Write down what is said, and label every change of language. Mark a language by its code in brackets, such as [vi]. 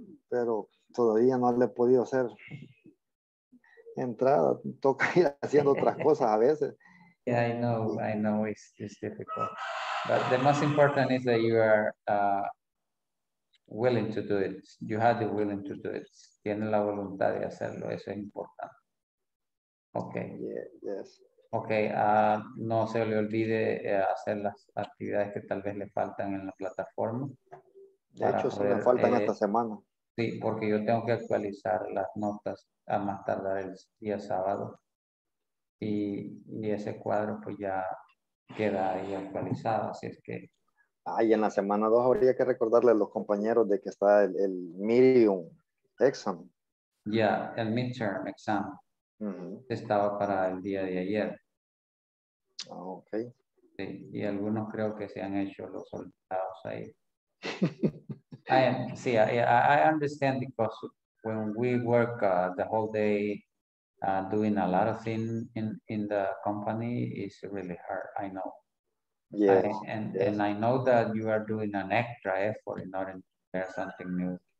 [es] Pero todavía no le he podido hacer entrada, toca ir haciendo otras cosas a veces. [en] Yeah, I know it's difficult. But the most important is that you are willing to do it. You have the willing to do it. [es] Tienes la voluntad de hacerlo, eso es importante. [en] Okay. Yeah, yes. Okay. [es] No se le olvide hacer las actividades que tal vez le faltan en la plataforma. De hecho, se me faltan esta semana. Sí, porque yo tengo que actualizar las notas a más tardar el día sábado. Y ese cuadro pues ya queda ahí actualizado, así es que. Ay, en la semana 2 habría que recordarle a los compañeros de que está el medium exam. Ya, yeah, el midterm exam. Estaba para el día de ayer. [en] Oh, okay. [es] Sí, y algunos creo que se han hecho los soldados ahí. [en] I understand, because when we work the whole day doing a lot of things in the company, it's really hard. I know. Yes. And I know that you are doing an extra effort in order to prepare something new.